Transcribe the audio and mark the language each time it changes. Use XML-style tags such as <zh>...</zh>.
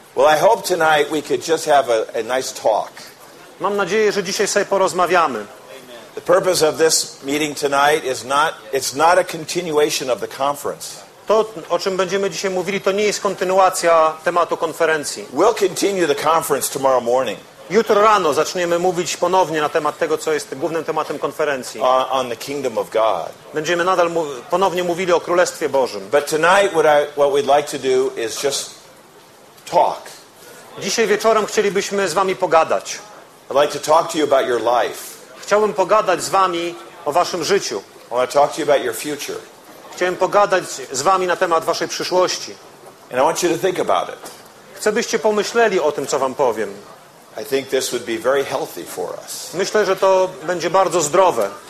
<en>Well, I hope tonight we could just have a nice talk.</en> <pl>Mam nadzieję, że dzisiaj sobie porozmawiamy.</pl> <en>The purpose of this meeting tonight is not, it's not a continuation of the conference.</en> <pl>To, o czym będziemy dzisiaj mówili, to nie jest kontynuacja tematu konferencji.</pl> <en>We'll continue the conference tomorrow morning.</en> <pl>Jutro rano zaczniemy mówić ponownie na temat tego, co jest głównym tematem konferencji.</pl> <en>On the kingdom of God.</en> <pl>Będziemy nadal ponownie mówili o Królestwie Bożym.</pl> <en>But tonight what we'd like to do is just talk.</en> <pl>Dzisiaj wieczorem chcielibyśmy z wami pogadać.</pl> <en>I'd like to talk to you about your life.</en> <pl>Chciałbym pogadać z wami o waszym życiu.</pl> <en>I want to talk to you about your future.</en> <pl>Chciałem pogadać z wami na temat waszej przyszłości.</pl> <en>And I want you to think about it.</en> <pl>Chcę, byście pomyśleli o tym, co wam powiem.</pl> <en>I think this would be very healthy for us.</en> <pl>Myślę, że to będzie bardzo zdrowe.</pl>